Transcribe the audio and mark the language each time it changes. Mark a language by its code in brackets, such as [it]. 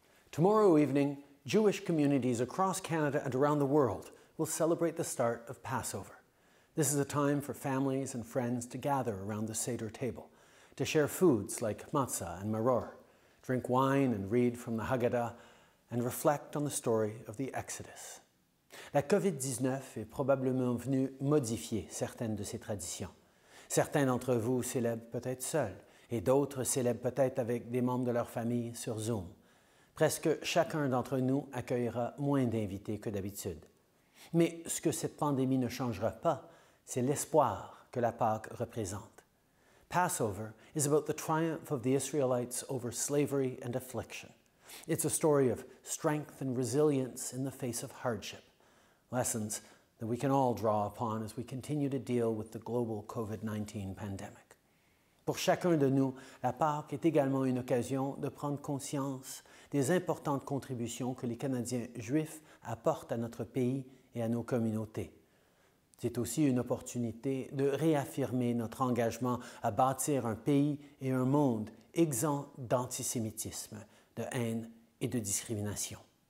[en] Tomorrow evening, Jewish communities across Canada and around the world will celebrate the start of Passover. This is a time for families and friends to gather around the Seder table, to share foods like matzah and maror, drink wine and read from the Haggadah, and reflect on the story of the Exodus. [fr] La COVID-19 est probablement venue modifier certaines de ces traditions. Certains d'entre vous célèbrent peut-être seuls, et d'autres célèbrent peut-être avec des membres de leur famille sur Zoom. Presque chacun d'entre nous accueillera moins d'invités que d'habitude. Mais ce que cette pandémie ne changera pas, c'est l'espoir que la Pâque représente. [en] Passover is about the triumph of the Israelites over slavery and affliction. It's a story of strength and resilience in the face of hardship. Lessons that we can all draw upon as we continue to deal with the global COVID-19 pandemic. [fr] Pour chacun de nous, la Pâque est également une occasion de prendre conscience des importantes contributions que les Canadiens juifs apportent à notre pays et à nos communautés. C'est aussi une opportunité de réaffirmer notre engagement à bâtir un pays et un monde exempt d'antisémitisme, de haine et de discrimination.